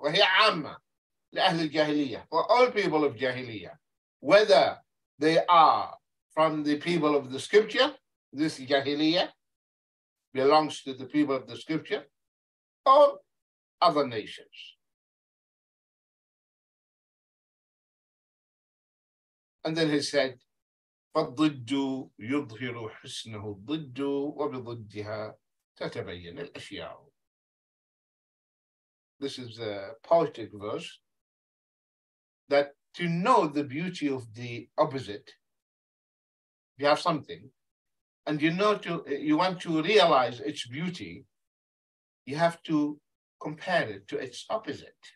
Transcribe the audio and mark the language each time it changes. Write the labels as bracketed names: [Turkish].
[Arabic] وَهِيَ عَامَّ لِأَهْلِ الْجَاهِلِيَّةِ. [English] For all people of jahiliya, whether they are from the people of the scripture, this jahiliya belongs to the people of the scripture, or other nations. And then he said, [Arabic] فَالضِدُّ يُظْهِرُ حُسْنَهُ الضِدُّ وَبِضِدِّهَا تَتَبَيَّنِ الْأَشْيَاءُ. [English] This is a poetic verse that to know the beauty of the opposite, you have something, and you want to realize its beauty, you have to compare it to its opposite.